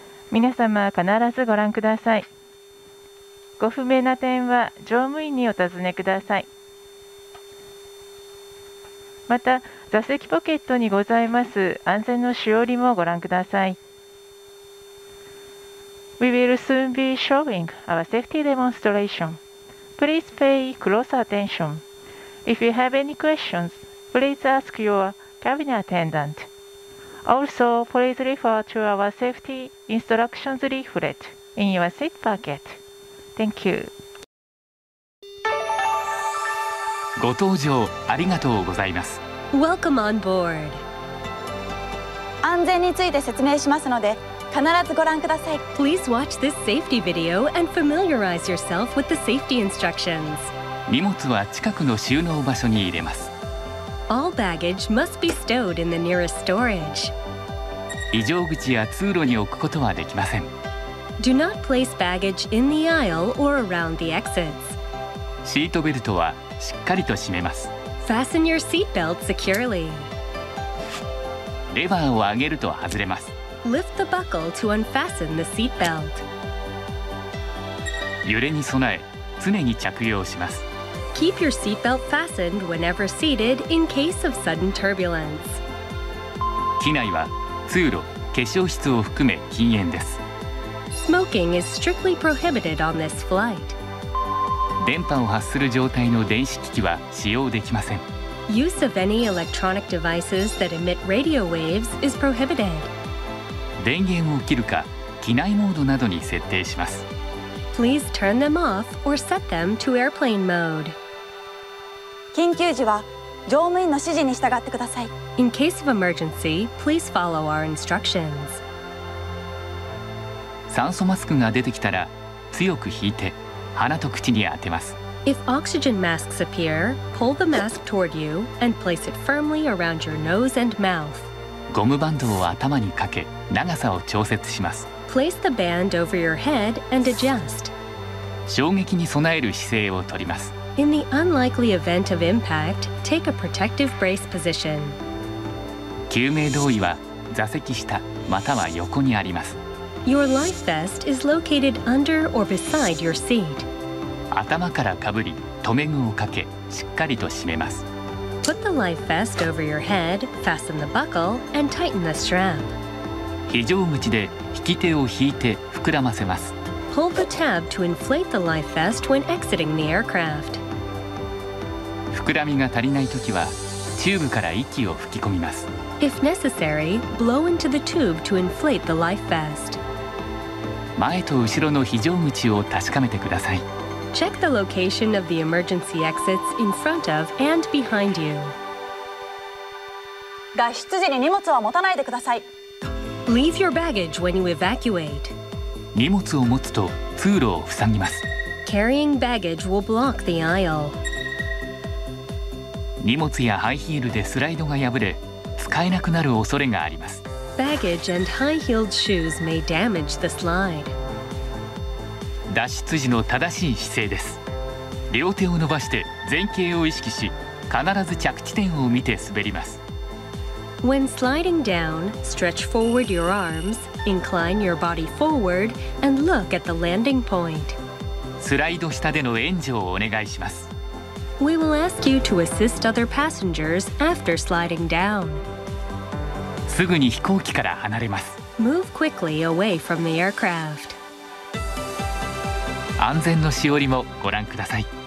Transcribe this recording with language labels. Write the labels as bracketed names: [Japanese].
[Japanese] 皆様必ずご覧ください。ご不明な点は乗務員にお尋ねください。また座席ポケットにございます安全のしおりもご覧ください。 [English] We will soon be showing our safety demonstration. Please pay close attention. If you have any questions, please ask your cabin attendantAlso, please refer to our safety instructions leaflet in your seat pocket. Thank you. [Japanese] ご搭乗ありがとうございます。 [English] Welcome on board. [Japanese] 安全について説明しますので、必ずご覧ください。 [English] Please watch this safety video and familiarize yourself with the safety instructions. [Japanese] 荷物は近くの収納場所に入れます。 [English] All baggage must be stowed in the nearest storage. [Japanese] 異常口や通路に置くことはできません。 [English] Do not place baggage in the aisle or around the exits. [Japanese] シートベルトはしっかりと締めます。 [English] Fasten your seat belt securely. [Japanese] レバーを上げると外れます。 [English] Lift the buckle to unfasten the seat belt. [Japanese] 揺れに備え、常に着用します。 [English] Keep your seatbelt fastened whenever seated in case of sudden turbulence. [Japanese] 機内は通路、化粧室を含め禁煙です。 [English] Smoking is strictly prohibited on this flight. [Japanese] 電波を発する状態の電子機器は使用できません。 [English] Use of any electronic devices that emit radio waves is prohibited. [Japanese] 電源を切るか、機内モードなどに設定します。 [English] Please turn them off or set them to airplane mode. [Japanese] 緊急時は乗務員の指示に従ってください。 [English] In case of emergency, please follow our instructions. [Japanese] 酸素マスクが出てきたら、強く引いて鼻と口に当てます。 [English] If oxygen masks appear, pull the mask toward you and place it firmly around your nose and mouth. [Japanese] ゴムバンドを頭にかけ、長さを調節します。 [English] Place the band over your head and adjust. [Japanese] 衝撃に備える姿勢をとります。 [English] In the unlikely event of impact, take a protective brace position. [Japanese] 救命胴衣は座席下または横にあります。 [English] Your life vest is located under or beside your seat. [Japanese] 頭からかぶり、留め具をかけ、しっかりと締めます。 [English] Put the life vest over your head, fasten the buckle, and tighten the strap. [Japanese] 非常口で引き手を引いて膨らませます。 [English] Pull the tab to inflate the life vest when exiting the aircraft. [Japanese] 膨らみが足りないときは、チューブから息を吹き込みます。 [English] If necessary, blow into the tube to inflate the life vest. [Japanese] 前と後ろの非常口を確かめてください。 [English] Check the location of the emergency exits in front of and behind you. [Japanese] 脱出時に荷物は持たないでください。 [English] Leave your baggage when you evacuate. [Japanese] 荷物を持つと通路を塞ぎます。 [English] Carrying baggage will block the aisle. [Japanese] 荷物やハイヒールでスライドが破れ、使えなくなる恐れがあります。 [English] Baggage and high-heeled shoes may damage the slide. [Japanese] 脱出時の正しい姿勢です。両手を伸ばして前傾を意識し、必ず着地点を見て滑ります。 [English] When sliding down, stretch forward your arms, incline your body forward, and look at the landing point. [Japanese] スライド下での援助をお願いします。 [English] We will ask you to assist other passengers after sliding down. [Japanese] すぐに飛行機から離れます。 [English] Move quickly away from the aircraft. [Japanese] 安全のしおりもご覧ください。